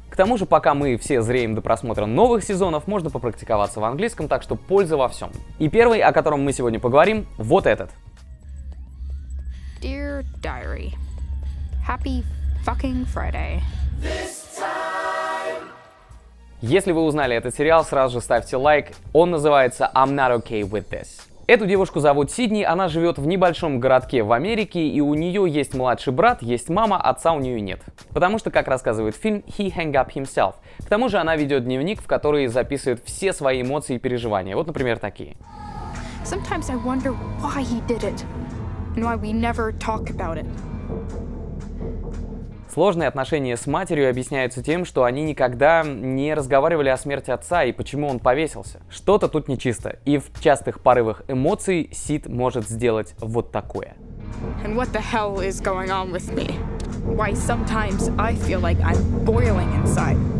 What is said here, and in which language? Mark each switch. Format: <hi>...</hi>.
<ru>К тому же, пока мы все зреем до просмотра новых сезонов, можно попрактиковаться в английском, так что польза во всем. И первый, о котором мы сегодня поговорим, вот этот.</ru> <en>Dear Diary. Happy fucking Friday.</en> <ru>Если вы узнали этот сериал, сразу же ставьте лайк. Он называется «I'm not okay with this». Эту девушку зовут Сидни, она живет в небольшом городке в Америке, и у нее есть младший брат, есть мама, отца у нее нет. Потому что, как рассказывает фильм,</ru> <en>he hang up himself.</en> <ru>К тому же она ведет дневник, в который записывает все свои эмоции и переживания. Вот, например, такие.</ru> <en>Sometimes I wonder why he did it, and why we never talk about it.</en> <ru>Сложные отношения с матерью объясняются тем, что они никогда не разговаривали о смерти отца и почему он повесился. Что-то тут нечисто, и в частых порывах эмоций Сид может сделать вот такое.</ru> <en>And what the hell is going on with me? Why sometimes I feel like I'm boiling inside?</en>